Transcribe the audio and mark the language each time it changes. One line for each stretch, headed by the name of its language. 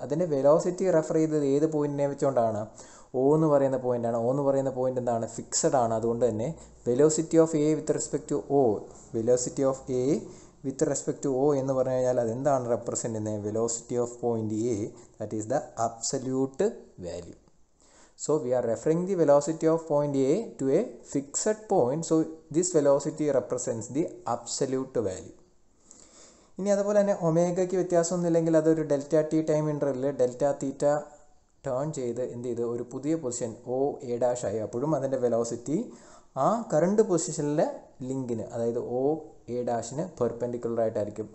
Malayalam: അതിൻ്റെ velocity refer ചെയ്തത് ഏത് പോയിന്റിനെ വെച്ചുകൊണ്ടാണ്? ഒ എന്ന് പറയുന്ന പോയിൻ്റാണ്. ഒ എന്ന് പറയുന്ന പോയിൻ്റ് എന്താണ്? ഫിക്സഡ് ആണ്. അതുകൊണ്ട് തന്നെ
English: velocity of A with respect to O,
Malayalam: velocity of A with respect to O എന്ന് പറഞ്ഞു കഴിഞ്ഞാൽ അതെന്താണ് റെപ്രസെൻ്റ് ചെയ്യുന്നത്?
English: Velocity of point A, that is the absolute value. So we are referring the velocity of point A to a fixed point. So this velocity represents the absolute value.
Malayalam: ഇനി അതുപോലെ തന്നെ ഒമേഗയ്ക്ക് വ്യത്യാസമൊന്നുമില്ലെങ്കിൽ അതൊരു delta T time ഇൻ്റർവെല്ലിൽ delta തീറ്റ turn ചെയ്ത് എന്ത് ചെയ്ത് ഒരു പുതിയ position O A dash ആയി, അപ്പോഴും അതിൻ്റെ വെലോസിറ്റി ആ കറണ്ട് പൊസിഷനിലെ ലിങ്കിന്, അതായത് ഒ എ ഡാഷിന് പെർപ്പെൻഡിക്കുലർ ആയിട്ടായിരിക്കും.